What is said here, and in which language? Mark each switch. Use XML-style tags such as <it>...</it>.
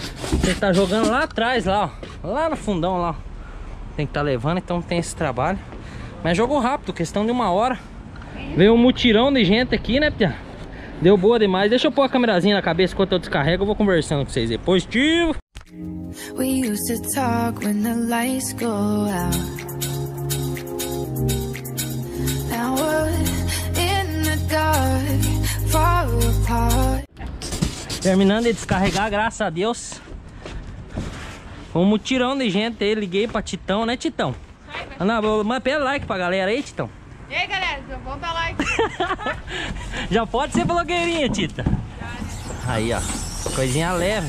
<pt>Você tá jogando lá atrás, lá, ó. Lá no fundão, lá. Tem que tá levando, então tem esse trabalho. Mas jogou rápido, questão de uma hora. Veio um mutirão de gente aqui, né, Pia? Deu boa demais. Deixa eu pôr a camerazinha na cabeça enquanto eu descarrego. Eu vou conversando com vocês aí. Positivo!</pt> <en>We used to talk when the lights go out. Now we're in the dark, far apart.</en> <pt>Terminando de descarregar, graças a Deus. Um mutirão de gente aí, liguei pra Titão, né, Titão? Mas pega like pra galera aí, Titão. E aí, galera, volta like. Já pode ser blogueirinha, Tita. Aí, ó, coisinha leve.</pt>